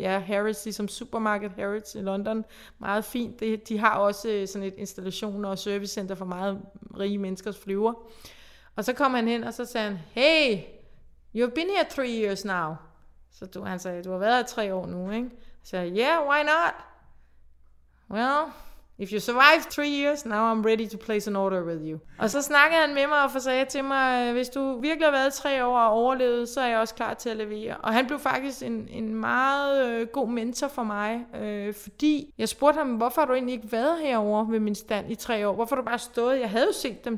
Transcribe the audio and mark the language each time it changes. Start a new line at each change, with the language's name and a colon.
Danish: Ja, Harris, ligesom supermarket Harris i London. Meget fint. De har også sådan et installation og servicecenter for meget rige menneskers flyver. Og så kom han hen, og så sagde han,
English: hey, you've been here 3 years now.
Danish: Så han sagde, du har været her 3 år nu, ikke? Så sagde,
English: yeah, why not? Well, if you survive 3 years, now I'm ready to place an order with you.
Danish: Og så snakkede han med mig og sagde til mig, hvis du virkelig har været 3 år og overlevet, så er jeg også klar til at levere. Og han blev faktisk en meget god mentor for mig, fordi jeg spurgte ham, hvorfor har du egentlig ikke været herovre ved min stand i 3 år? Hvorfor har du bare stået? Jeg havde jo set dem.